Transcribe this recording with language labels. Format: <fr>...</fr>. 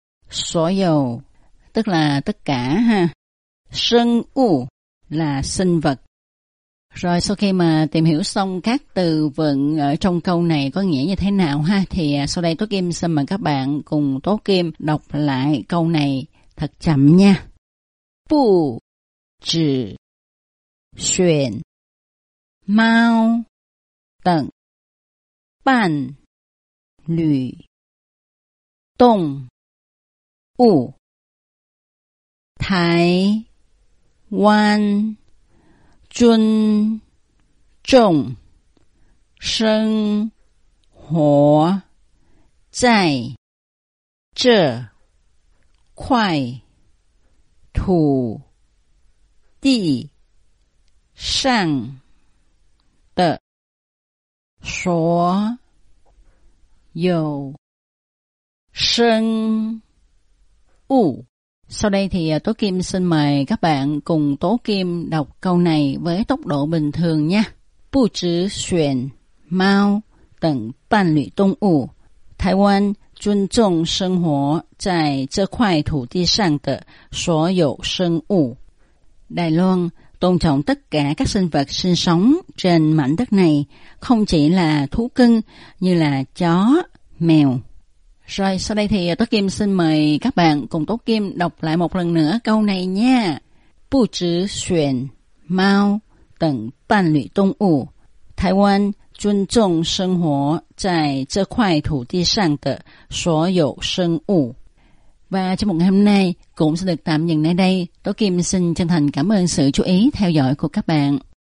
<vi>所有, tức là tất cả ha. 生物, là sinh vật. Rồi sau khi mà tìm hiểu xong các từ vựng ở trong câu này có nghĩa như thế nào ha, thì sau đây Tố Kim xin mời các bạn cùng Tố Kim đọc lại câu này thật chậm nha.</vi> <zh>不只选猫等伴侣动物，台湾尊重生活在这块土地上的所有生物。</zh> <vi>Sau đây thì Tố Kim xin mời các bạn cùng Tố Kim đọc câu này với tốc độ bình thường nha.</vi> <zh>不只选猫等伴侣动物，台湾尊重生活在这块土地上的所有生物。</zh> <vi>Đài Loan tôn trọng tất cả các sinh vật sinh sống trên mảnh đất này, không chỉ là thú cưng như là chó, mèo. Rồi sau đây thì Tố Kim xin mời các bạn cùng Tố Kim đọc lại một lần nữa câu này nha.</vi> <zh>不只选猫等伴侣动物，台湾尊重生活在这块土地上的所有生物。</zh> <vi>Và chương mục ngày hôm nay cũng sẽ được tạm dừng tại đây. Tố Kim xin chân thành cảm ơn sự chú ý theo dõi của các bạn.</vi>